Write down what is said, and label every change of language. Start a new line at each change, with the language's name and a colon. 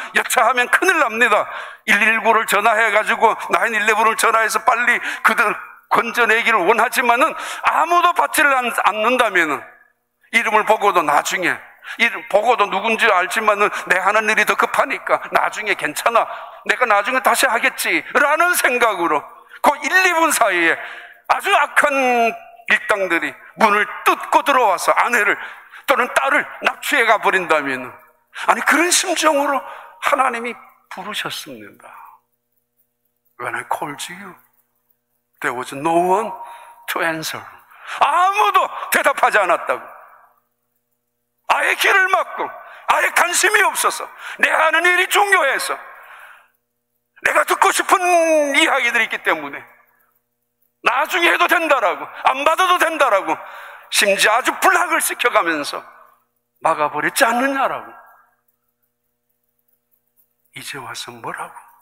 Korean: 여차하면 큰일 납니다. 119를 전화해가지고 911을 전화해서 빨리 그들 건져내기를 원하지만은 아무도 받지를 않는다면은 이름을 보고도 나중에 이름 보고도 누군지 알지만은 내 하는 일이 더 급하니까 나중에 괜찮아 내가 나중에 다시 하겠지라는 생각으로 그 1, 2분 사이에 아주 악한 일당들이 문을 뜯고 들어와서 아내를 또는 딸을 납치해가 버린다면, 아니 그런 심정으로 하나님이 부르셨습니다.
English: When I called you, there was no one to answer.
Korean: 아무도 대답하지 않았다고. 아예 길을 막고 아예 관심이 없어서 내 하는 일이 중요해서 내가 듣고 싶은 이야기들이 있기 때문에 나중에 해도 된다라고 안 받아도 된다라고 심지어 아주 불학을 시켜가면서 막아버렸지 않느냐라고 이제 와서 뭐라고.